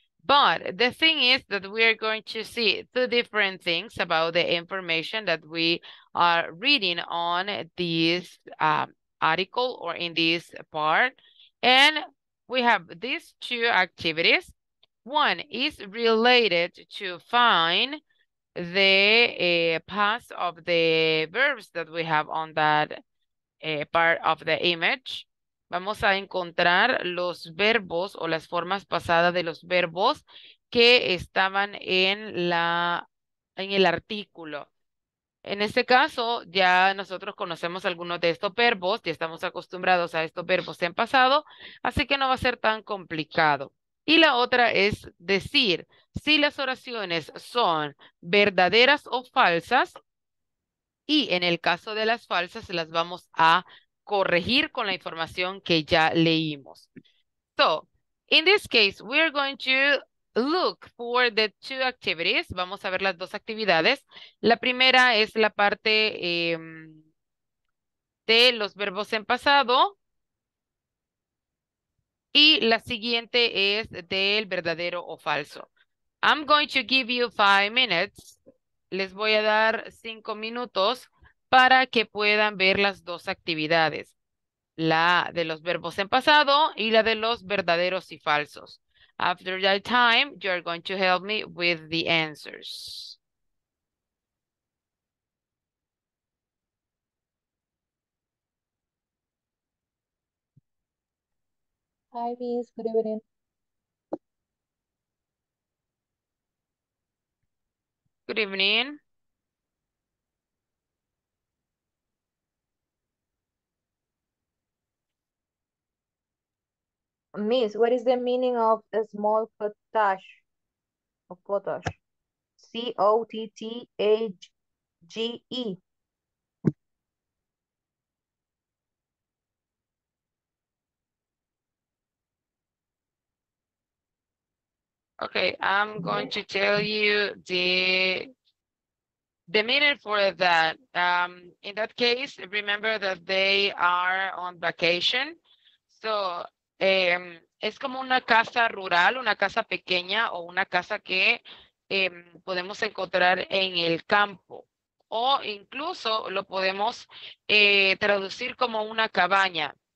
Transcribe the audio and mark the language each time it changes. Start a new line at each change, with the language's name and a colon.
English: But the thing is that we are going to see two different things about the information that we are reading on this article or in this part. And we have these two activities. One is related to find the past of the verbs that we have on that part of the image.
Spanish: Vamos a encontrar los verbos o las formas pasadas de los verbos que estaban en el artículo. En este caso, ya nosotros conocemos algunos de estos verbos, ya estamos acostumbrados a estos verbos en pasado, así que no va a ser tan complicado. Y la otra es decir si las oraciones son verdaderas o falsas, y en el caso de las falsas las vamos a corregir con la información que ya leímos.
English: So, in this case, we are going to look for the two activities.
Spanish: Vamos a ver las dos actividades. La primera es la parte de los verbos en pasado. Y la siguiente es del verdadero o falso.
English: I'm going to give you 5 minutes.
Spanish: Les voy a dar 5 minutos para que puedan ver las dos actividades, la de los verbos en pasado y la de los verdaderos y falsos.
English: After that time, you are going to help me with the answers. Hi, Miss. Good evening. Good evening. Miss, what is the meaning of a small cottage? Of cottage? COTTAGE. Okay, I'm going to tell you the meaning for that. In that case, remember that they are on vacation.
Spanish: So, es como una casa rural, una casa pequeña o una casa que podemos encontrar en el campo. O incluso lo podemos traducir como una cabaña.